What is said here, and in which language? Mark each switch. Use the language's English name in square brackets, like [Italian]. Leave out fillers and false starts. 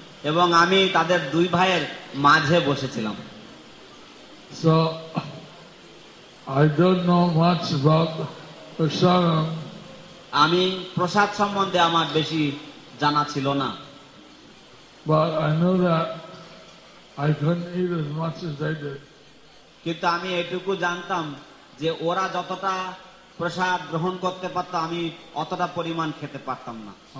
[Bangla] এবং আমি তাদের দুই ভাইয়ের মাঝে বসেছিলাম। [English] So I don't know much about prasadam. [Bangla] আমি প্রসাদ সম্বন্ধে আমার বেশি জানা ছিল না। [English] But I know that I couldn't eat as much as they did. [Bangla] কিন্তু আমি এটুকু জানতাম যে ওরা যতটা প্রসাদ গ্রহণ করতে পারত আমি অতটা পরিমাণ খেতে পারতাম না।